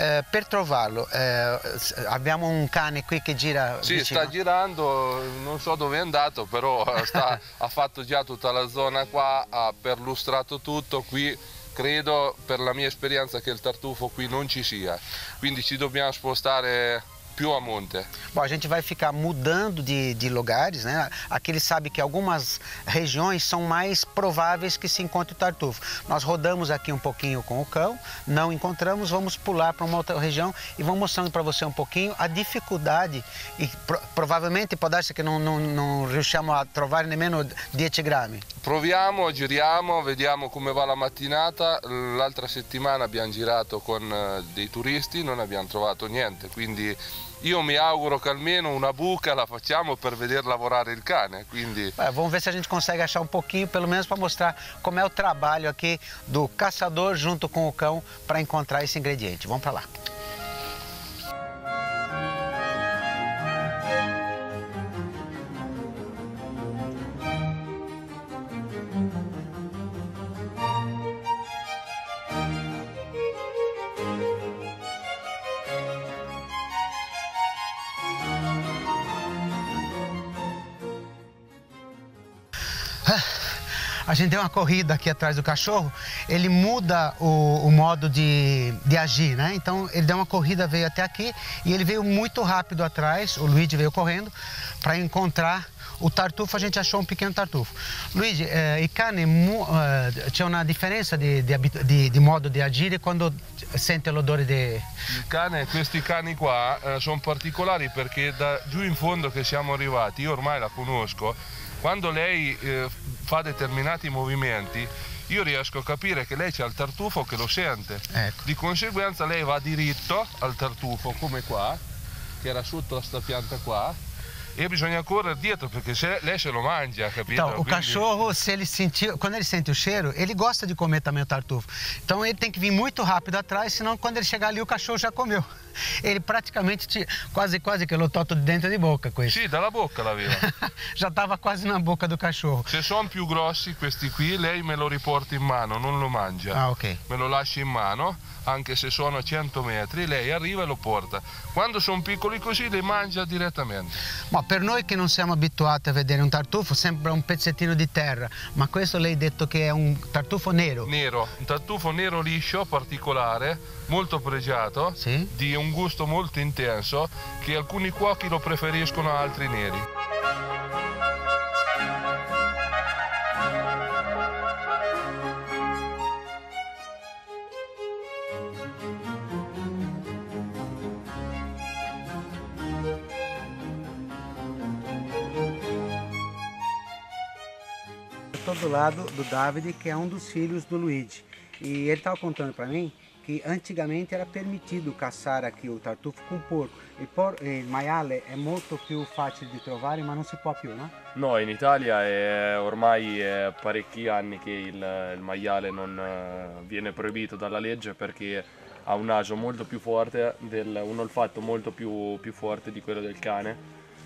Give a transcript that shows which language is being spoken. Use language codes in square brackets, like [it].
[it] Per trovarlo, abbiamo un cane qui che gira. Sì, vicino. Sta girando, non so dove è andato, però ha fatto già tutta la zona qua, ha perlustrato tutto qui. Credo, per la mia esperienza, che il tartufo qui non ci sia, quindi ci dobbiamo spostare più a monte. [pt] Bom, a gente vai ficar mudando de lugares, né? Aqui ele sabe que algumas regiões são mais prováveis que se encontre o tartufo. Nós rodamos aqui um pouquinho com o cão, não encontramos, vamos pular para uma outra região e vamos mostrando para você um pouquinho a dificuldade e provavelmente pode ser que não [it] riusciamo a trovare nemmeno 10 grammi. Proviamo, giriamo, vediamo come va la mattinata. L'altra settimana abbiamo girato con dei turisti, non abbiamo trovato niente, quindi io mi auguro che almeno una buca la facciamo per veder lavorare il cane, quindi... [pt] Vamos ver se a gente consegue achar um pouquinho, pelo menos para mostrar como é o trabalho aqui do caçador junto com o cão para encontrar esse ingrediente. Vamos para lá. A gente deu uma corrida aqui atrás do cachorro, ele muda o modo de agir, né? Então ele deu uma corrida, veio até aqui e ele veio muito rápido atrás, o Luigi veio correndo, para encontrar o tartufo, a gente achou um pequeno tartufo. [it] Luigi, e cane, c'è una differenza di modo di agire quando sente l'odore di... Questi cani qua sono particolari perché da giù in fondo che siamo arrivati, io ormai la conosco, quando lei fa determinati movimenti, io riesco a capire che lei c'ha il tartufo che lo sente. Ecco. Di conseguenza lei va diritto al tartufo, come qua, che era sotto questa pianta qua, e bisogna correre dietro perché se lei se lo mangia, capito? [pt] Então, quindi... O cachorro, se ele sentiu, quando ele sente o cheiro, ele gosta di comer também o tartufo. Então ele tem que vir muito rápido atrás, senão quando ele chegar ali o cachorro já comeu. Ele praticamente quase que [it] lo toto di dentro di bocca questo. Sì, dalla bocca l'aveva. Già stava quasi nella bocca del cachorro. Se sono più grossi questi qui, lei me lo riporta in mano, non lo mangia. Ah, ok. Me lo lascia in mano, anche se sono a 100 metri, lei arriva e lo porta. Quando sono piccoli così, le mangia direttamente. Ma per noi che non siamo abituati a vedere un tartufo, sembra un pezzettino di terra, ma questo lei ha detto che è un tartufo nero. Nero, un tartufo nero liscio, particolare, molto pregiato, sì? Di un gusto molto intenso, che alcuni cuochi lo preferiscono a altri neri. [pt] Estou do lado do Davide, que é um dos filhos do Luigi, e ele estava contando para mim que antigamente era permitido caçar aqui o tartufo com porco. [it] E por il maiale è molto più facile di trovare, ma non si può più, no? No, in Italia è ormai parecchi anni che il maiale non viene proibito dalla legge perché ha un agio molto più forte, un olfatto molto più forte di quello del cane.